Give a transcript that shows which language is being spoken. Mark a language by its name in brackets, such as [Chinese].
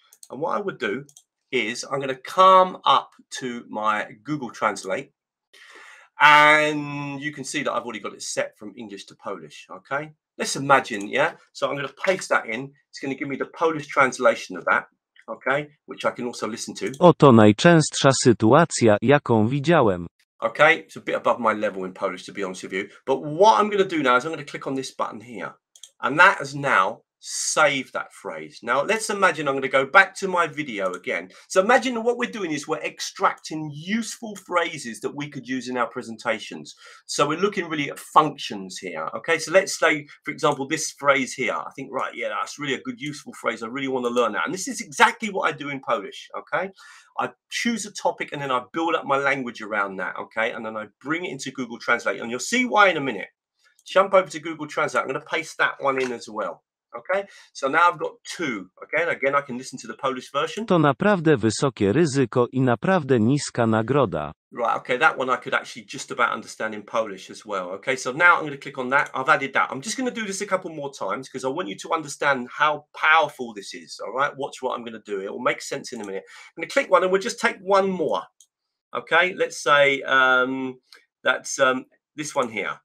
[English] And what I would do is I'm going to come up to my Google Translate. And you can see that I've already got it set from English to Polish, okay? Let's imagine, yeah? So I'm going to paste that in. It's going to give me the Polish translation of that. Okay, which I can also listen to. [Polish] Oto najczęstsza sytuacja, jaką widziałem. [English] Okay, it's a bit above my level in Polish, to be honest with you. But what I'm going to do now is I'm going to click on this button here. And that has now saved that phrase. Now, let's imagine I'm going to go back to my video again. So imagine what we're doing is we're extracting useful phrases that we could use in our presentations. So we're looking really at functions here. Okay, so let's say, for example, this phrase here. I think, right, yeah, that's really a good useful phrase. I really want to learn that. And this is exactly what I do in Polish. Okay, I choose a topic and then I build up my language around that. Okay, and then I bring it into Google Translate. And you'll see why in a minute. Jump over to Google Translate. I'm going to paste that one in as well. Okay, so now I've got two. Okay, and again, I can listen to the Polish version. [Polish] To naprawdę wysokie ryzyko i naprawdę niska nagroda. [English] Right, okay, that one I could actually just about understand in Polish as well. Okay, so now I'm going to click on that. I've added that. I'm just going to do this a couple more times because I want you to understand how powerful this is. All right, watch what I'm going to do. It will make sense in a minute. I'm going to click one and we'll just take one more. Okay, let's say this one here.